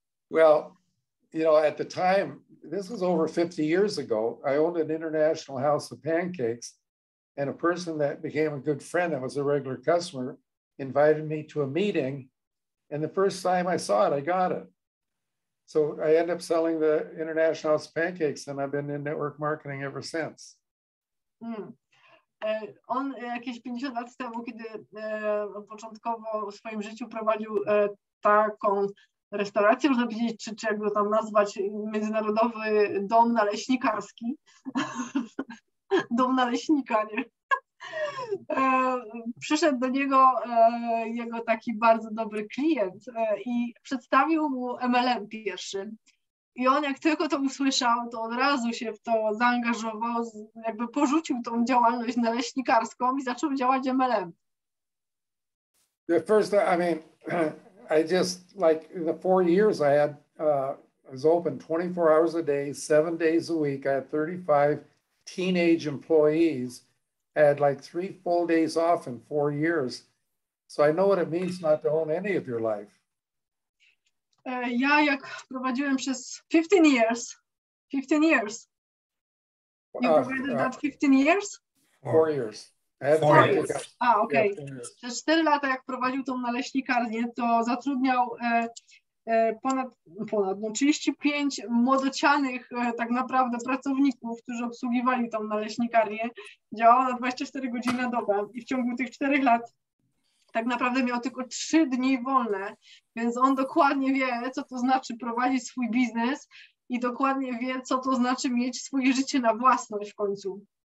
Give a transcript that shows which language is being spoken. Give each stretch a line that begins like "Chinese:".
English: Well, you know, at the time, this was over 50 years ago, I owned an international house of pancakes, and a person that became a good friend that was a regular customer invited me to a meeting, and the first time I saw it, I got it. So I ended up selling the international house of pancakes, and I've been in network marketing ever since.
Polish: On jakieś 50 lat temu, kiedy początkowo w swoim życiu prowadził taką restaurację, można powiedzieć, czy jak go tam nazwać, międzynarodowy dom naleśnikarski. Dom naleśnika, nie? Przyszedł do niego jego taki bardzo dobry klient i przedstawił mu MLM pierwszy. I on jak tylko to usłyszał, to od razu się w to zaangażował, jakby porzucił tą działalność naleśnikarską i zaczął działać MLM.
English: The first, I mean, I just, like, the 4 years I had, I was open 24 hours a day, 7 days a week. I had 35 teenage employees. I had like 3 full days off in 4 years. So I know what it means not to own any of your life.
Polish: Ja jak prowadziłem przez 15
English: years. You provided that 15 years? 4 years. Okej. Okay.
Polish: Przez 4 lata jak prowadził tą naleśnikarnię, to zatrudniał ponad 35 młodocianych tak naprawdę pracowników, którzy obsługiwali tą naleśnikarnię. Działał na 24 godziny na dobę i w ciągu tych 4 lat tak naprawdę miał tylko 3 dni wolne, więc on dokładnie wie, co to znaczy prowadzić swój biznes i dokładnie wie, co to znaczy mieć swoje życie na własność w końcu.